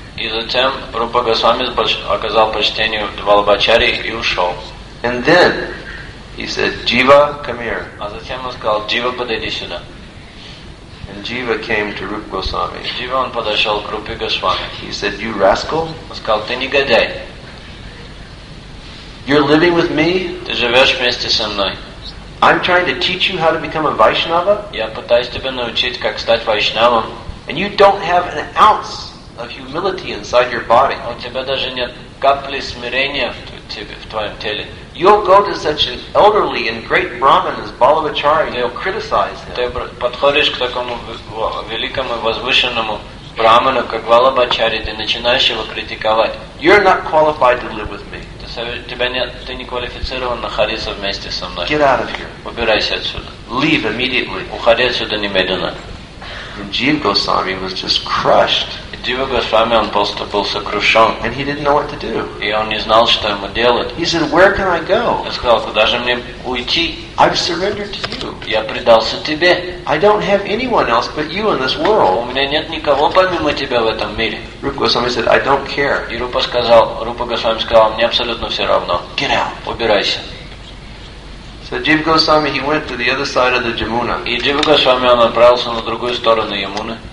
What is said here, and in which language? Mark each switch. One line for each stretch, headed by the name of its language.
Russian: И затем Рупа Госвами оказал почтение Балабхачарье и ушел.
English: And then he said, "Jiva, come here."
Russian: А затем он сказал, Джива, подойди сюда.
English: And Jiva came to Rupa Goswami.
Russian: Джива он подошел к Рупе Госвами.
English: He said, "You rascal."
Russian: Он сказал, ты негодяй.
English: "You're living with me?"
Russian: Ты живешь вместе со мной.
English: "I'm trying to teach you how to become a Vaishnava."
Russian: Я пытаюсь тебя научить, как стать Вайшнавом.
English: "And you don't have an ounce of humility inside your body."
Russian: У тебя даже нет капли смирения в твоем теле.
English: "You'll go to such an elderly and great Brahmin as Balabhacharya, and you'll criticize him."
Russian: Ты подходишь к такому великому возвышенному Брахману, как Балабхачарья, ты начинаешь его критиковать.
English: "You're not qualified to live with me."
Russian: Ты тебя нет, ты не квалифицирован находиться вместе со мной.
English: Get out of here.
Russian: Убирайся отсюда.
English: Leave immediately.
Russian: Уходи отсюда немедленно.
English: And Jiva Goswami was just crushed.
Russian: Jiva Goswami, он просто был сокрушен.
English: And he didn't know what to do.
Russian: И он не знал, что ему делать.
English: He said, "Where can I go?"
Russian: Я сказал, куда же мне уйти?
English: I've surrendered to you.
Russian: Я предался тебе.
English: I don't have anyone else but you in this world.
Russian: У меня нет никого помимо тебя в этом мире.
English: Rupa Goswami said, "I don't care."
Russian: И Рупа сказал, Рупа Госвами сказал, мне абсолютно все равно.
English: Get out.
Russian: Убирайся.
English: So Jiva Goswami, he went to the other side of the Jamuna.
Russian: И Jiva Goswami, он отправился на другую сторону Ямуны.